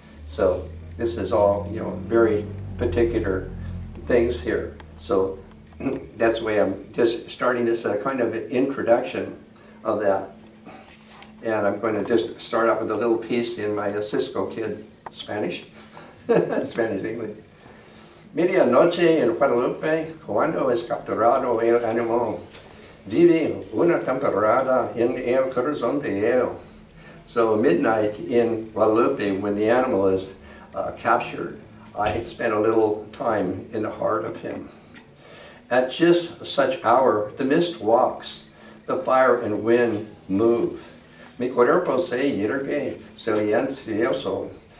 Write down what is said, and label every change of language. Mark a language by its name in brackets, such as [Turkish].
[English] So this is all, you know, very particular things here. So that's the way I'm just starting this kind of introduction of that. And I'm going to just start off with a little piece in my Cisco Kid Spanish, Spanish-English. [Spanish] Media noche en Guadalupe, cuando es capturado el animal, vive una temporada en el corazón de él. [English] So midnight in Guadalupe, when the animal is captured, I spent a little time in the heart of him. At just such hour, the mist walks, the fire and wind move. [Spanish] Mi cuerpo se hierve silencioso.